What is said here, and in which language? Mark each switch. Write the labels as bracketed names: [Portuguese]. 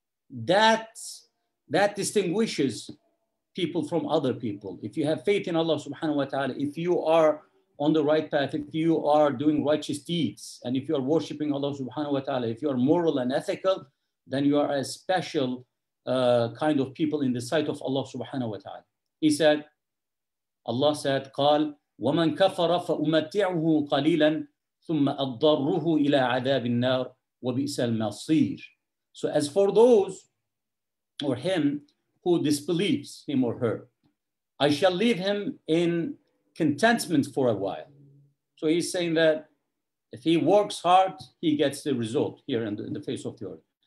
[English] That distinguishes people from other people. If you have faith in Allah subhanahu wa ta'ala, if you are on the right path, if you are doing righteous deeds, and if you are worshiping Allah subhanahu wa ta'ala, if you are moral and ethical, then you are a special kind of people in the sight of Allah subhanahu wa ta'ala. He said, Allah said, [Arabic] قال وَمَنْ كَفَرَ فَأُمَتِّعُهُ قَلِيلًا ثُمَّ أَضَّرُّهُ إِلَىٰ عَذَابِ النَّارِ وَبِئْسَ الْمَصِيرِ. [English] So as for those, or him, who disbelieves him or her, I shall leave him in contentment for a while. So he's saying that if he works hard, he gets the result here in the face of the earth.